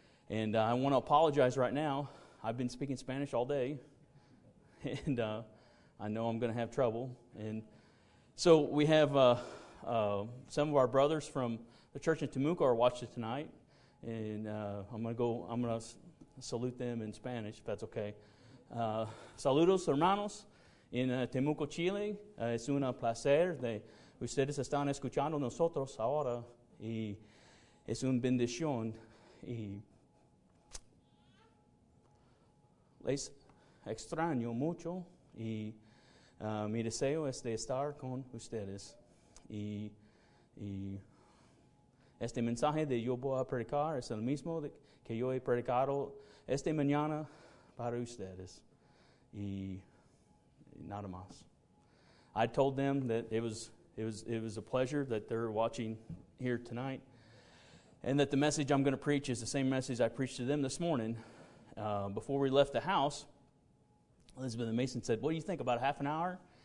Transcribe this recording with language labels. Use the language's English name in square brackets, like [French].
[English] And I want to apologize right now. I've been speaking Spanish all day, and I know I'm going to have trouble. And so we have some of our brothers from the church in Temuco are watching tonight, and I'm gonna salute them in Spanish if that's okay. [Spanish] Saludos, hermanos, en Temuco, Chile. Es un placer de ustedes están escuchando nosotros ahora, y es un bendición. Y les extraño mucho, y mi deseo es de estar con ustedes. Y este mensaje de yo voy a predicar es el mismo que yo he predicado esta mañana para ustedes. Y nada más. [English] I told them that it was a pleasure that they're watching here tonight, and that the message I'm going to preach is the same message I preached to them this morning. Before we left the house, Elizabeth and Mason said, "What do you think, about half an hour?"